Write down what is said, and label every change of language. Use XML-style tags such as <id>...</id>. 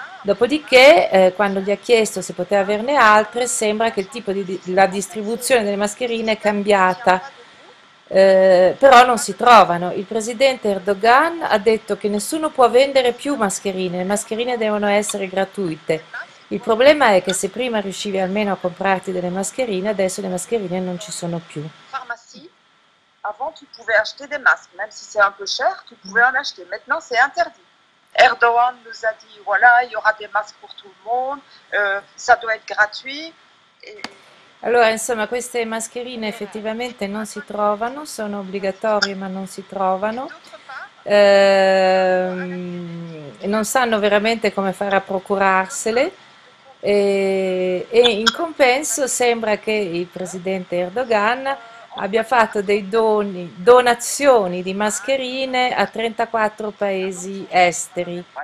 <it>Dopodiché, quando gli ha chiesto se poteva averne altre, sembra che il tipo di la distribuzione delle mascherine è cambiata. Però non si trovano. Il presidente Erdogan ha detto che nessuno può vendere più mascherine, le mascherine devono essere gratuite. Il problema è che se prima riuscivi almeno a comprarti delle mascherine, adesso le mascherine non ci sono più.</it> <fr>Pharmacie, avant tu pouvais acheter des masques, même si c'est un peu cher, tu pouvais en acheter. Maintenant, c'est interdit. Erdogan nous a dit, voilà, il y aura des masques pour tout le monde, ça doit être gratuit.</fr> <it>Allora, insomma, queste mascherine effettivamente non si trovano, sono obbligatorie ma non si trovano. Non sanno veramente come fare a procurarsele. E in compenso sembra che il presidente Erdogan abbia fatto dei doni, donazioni di mascherine a 34 paesi esteri.</it>